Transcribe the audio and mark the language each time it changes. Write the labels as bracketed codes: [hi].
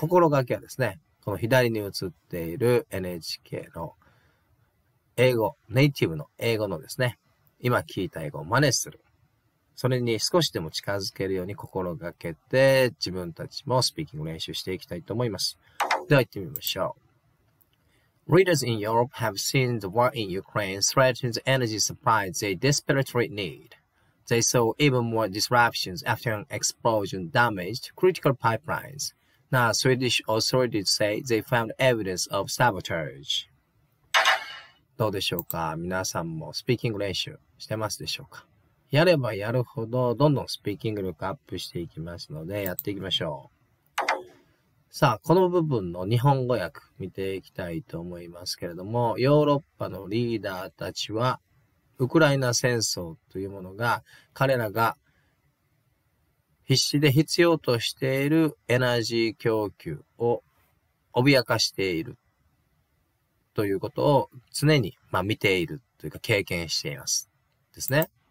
[ja] 心がけはですね、この左に映っている NHK の英語、ネイティブの英語のですね、今聞いた英語を真似する。それに少しでも近づけるように心がけて、自分たちもスピーキング練習していきたいと思います。では行ってみましょう。 [en] Readers in Europe have seen the war in Ukraine threaten the energy supply they desperately need. They saw even more disruptions after an explosion damaged critical pipelines. Now, Swedish authorities say they found evidence of sabotage. [ja] どうでしょうか？皆さんもスピーキング練習してますでしょうか？やればやるほどどんどんスピーキング力アップしていきますので、やっていきましょう。さあ、この部分の日本語訳見ていきたいと思いますけれども、ヨーロッパのリーダーたちは、ウクライナ戦争というものが、彼らが必死で必要としているエナジー供給を脅かしているということを常に、まあ、見ているというか経験しています。ですね。